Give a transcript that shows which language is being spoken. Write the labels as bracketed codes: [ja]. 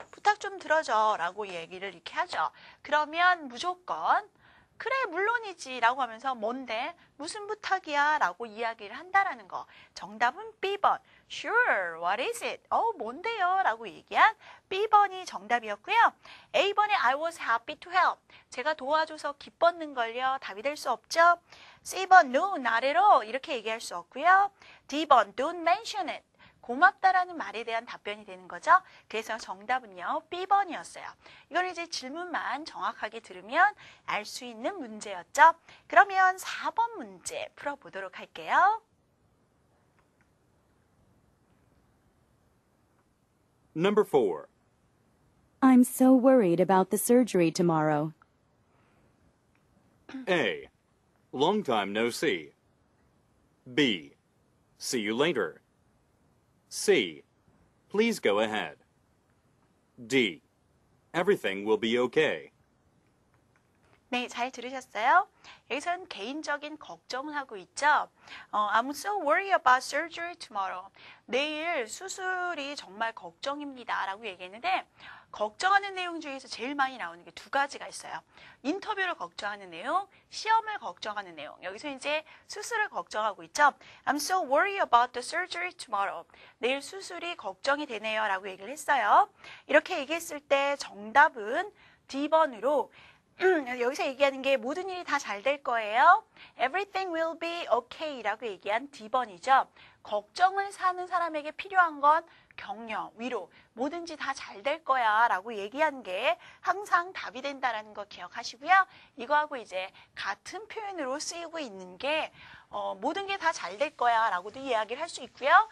[ko] 부탁 좀 들어줘 라고 얘기를 이렇게 하죠. 그러면 무조건 그래 물론이지 라고 하면서 뭔데? 무슨 부탁이야? 라고 이야기를 한다라는 거. 정답은 B번. [en] Sure, what is it? [ko] 어, 뭔데요? 라고 얘기한 B번이 정답이었고요. [en] A번에 I was happy to help. [ko] 제가 도와줘서 기뻤는걸요. 답이 될 수 없죠. C번, [en] no, not at all. [ko] 이렇게 얘기할 수 없고요. [en] D번, don't mention it. [ko] 고맙다라는 말에 대한 답변이 되는 거죠. 그래서 정답은요, B번이었어요. 이걸 이제 질문만 정확하게 들으면 알 수 있는 문제였죠. 그러면 4번 문제 풀어보도록 할게요. [en] Number 4. I'm so worried about the surgery tomorrow. A. Long time no see. B. See you later. C. Please go ahead. D. Everything will be okay. [ko] 네, 잘 들으셨어요? 여기서는 개인적인 걱정을 하고 있죠? [en] I'm so worried about surgery tomorrow. [ko] 내일 수술이 정말 걱정입니다. 라고 얘기했는데 걱정하는 내용 중에서 제일 많이 나오는 게 두 가지가 있어요. 인터뷰를 걱정하는 내용, 시험을 걱정하는 내용. 여기서 이제 수술을 걱정하고 있죠. [en] I'm so worried about the surgery tomorrow. [ko] 내일 수술이 걱정이 되네요. 라고 얘기를 했어요. 이렇게 얘기했을 때 정답은 D번으로 여기서 얘기하는 게 모든 일이 다 잘 될 거예요. [en] Everything will be okay [ko] 라고 얘기한 D번이죠. 걱정을 사는 사람에게 필요한 건 격려, 위로, 뭐든지 다 잘 될 거야 라고 얘기한 게 항상 답이 된다라는 거 기억하시고요. 이거하고 이제 같은 표현으로 쓰이고 있는 게 모든 게 다 잘 될 거야 라고도 이야기를 할 수 있고요.